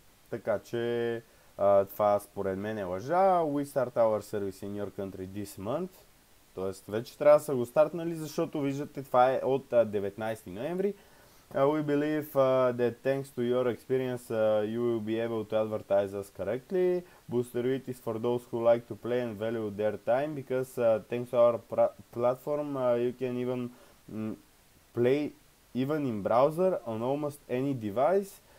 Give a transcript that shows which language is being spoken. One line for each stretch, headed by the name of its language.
Bulgarian: Така че това според мен е лъжа.
English: We start our service in your country this month.
Bulgarian: Тоест вече трябва да са го стартнали, защото виждате това е от 19 ноември.
English: We believe that thanks to your experience you will be able to advertise us correctly. BoosterWeed is for those who like to play and value their time because thanks to our platform you can even play even in browser on almost any device.